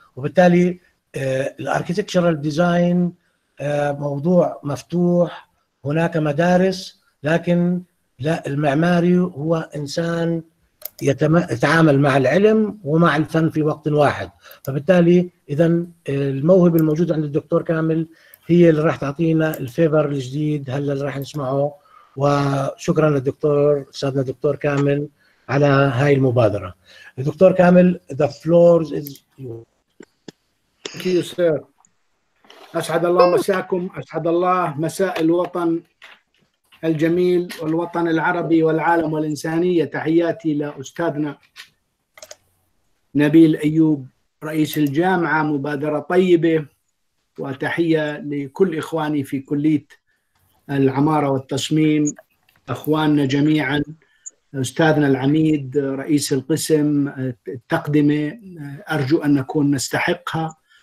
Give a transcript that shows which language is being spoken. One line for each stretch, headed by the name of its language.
Arabic: وبالتالي الاركيتكتشرال ديزاين موضوع مفتوح، هناك مدارس، لكن لا، المعماري هو انسان يتعامل مع العلم ومع الفن في وقت واحد. فبالتالي اذا الموهبه الموجوده عند الدكتور كامل هي اللي راح تعطينا الفيبر الجديد هلا اللي راح نسمعه. وشكرا للدكتور سيدنا الدكتور كامل على هاي المبادرة. الدكتور كامل
English: the floor is yours. Thank you sir.
Arabic: أسعد الله مساكم، أسعد الله مساء الوطن الجميل والوطن العربي والعالم والإنسانية. تحياتي لأستاذنا نبيل أيوب رئيس الجامعة، مبادرة طيبة، وتحية لكل إخواني في كلية العمارة والتصميم، أخواننا جميعا، أستاذنا العميد رئيس القسم، التقدمة أرجو أن نكون نستحقها.